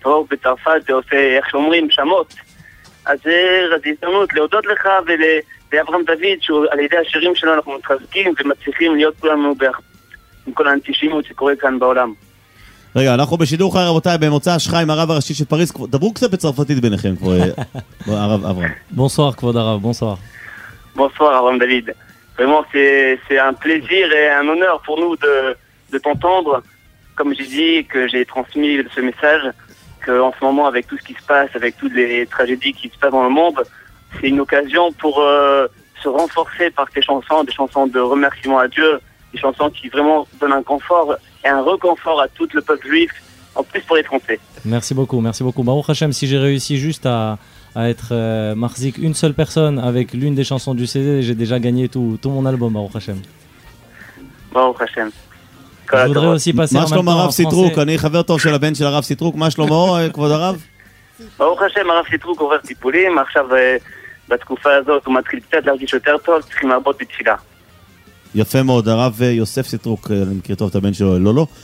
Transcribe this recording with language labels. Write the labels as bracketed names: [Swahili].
[Hebrew] בצרפת זה עושה, איך שאומרים, שמות. אז זו הזדמנות להודות לך ולאברהם דוד, שעל ידי השירים שלו אנחנו מתחזקים ומצליחים להיות כולנו עם כל האנטישמיות שקורה כאן בעולם. רגע, אנחנו בשידור חי רבותיי, במוצא השחי עם הרב הראשי של פריז. דברו קצת בצרפתית ביניכם, כבר הרב אברהם. בונסואר, כבוד הרב, בונסואר. בונסואר, אברהם דוד. באמת, זה [French] un plaisir et un honneur pour nous de t'entendre, comme j'ai dit, que j'ai transmis ce message. En ce moment, avec tout ce qui se passe, avec toutes les tragédies qui se passent dans le monde, c'est une occasion pour se renforcer par des chansons de remerciement à Dieu, des chansons qui vraiment donnent un confort et un reconfort à tout le peuple juif, en plus pour les Français. Merci beaucoup, merci beaucoup. Baruch Hashem, si j'ai réussi juste à être marzik une seule personne avec l'une des chansons du CD, j'ai déjà gagné tout mon album, Baruch Hashem. [Hebrew] Baruch Hashem. אני רוצה אוסי פסר מה שלום הרב סיטרוק, אני חבר טוב של הבן של הרב סיטרוק, מה שלומו כבוד הרב? ברוך השם, הרב סיטרוק עובר טיפולים, עכשיו בתקופה הזאת הוא מתחיל קצת להרגיש יותר טוב, צריכים לעבוד בתפילה. יפה מאוד, הרב יוסף סיטרוק, אני מכיר טוב את הבן שלו, לא.